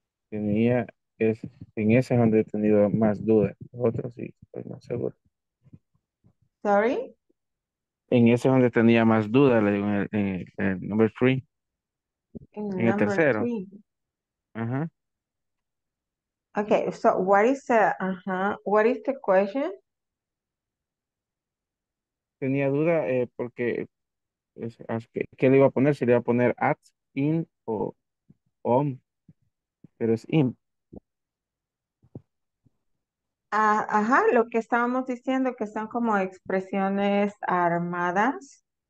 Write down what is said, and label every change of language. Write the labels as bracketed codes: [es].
[es] Tenía, es, en ese es donde he tenido más dudas. Otros sí, estoy más seguro. [en] Sorry? [es] En ese es donde tenía más dudas, le digo, en el [en] number three. [es] En el tercero. Uh-huh. [en] Okay, so what is the, what is the question? [es] Tenía duda porque, ¿qué le iba a poner? Si le iba a poner at, in, o on, pero es in. Ajá, lo que estábamos diciendo, que son como expresiones armadas.